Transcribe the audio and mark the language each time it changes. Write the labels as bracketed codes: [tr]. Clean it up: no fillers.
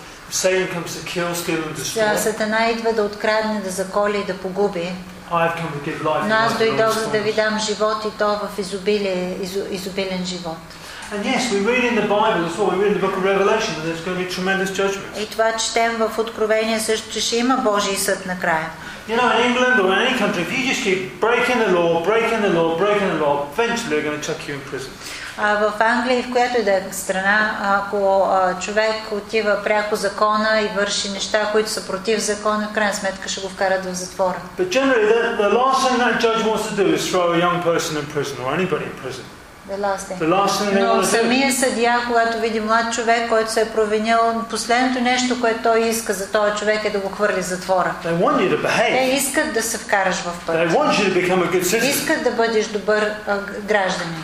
[en] Satan comes to kill, steal and destroy. [bg] Сатана идва да открадне, да заколи и да погуби. [en] I've come to give life. [bg] Но аз дойдох, за да ви дам живот и то в изобилие, изобилен живот. [en] And yes, we read in the Bible as well. We read in the book of Revelation that there's going to be tremendous judgment. [bg] И това четем в Откровение също, че ще има Божий съд накрая. [en] You know, in England or in any country, if you just keep breaking the law, breaking the law, breaking the law, eventually they're going to chuck you in prison. [bg] В Англия и в която и да е страна, ако човек отива пряко закона и върши неща, които са против закона, в крайна сметка ще го вкарат в затвора. [en] But generally, the last thing that judge wants to do is throw a young person in prison or anybody in prison. [bg] Но самия съдия, когато види млад човек, който се е провинил, последното нещо, което той иска за този човек е да го хвърли в затвора. Те искат да се вкараш в път. Искат да бъдеш добър гражданин.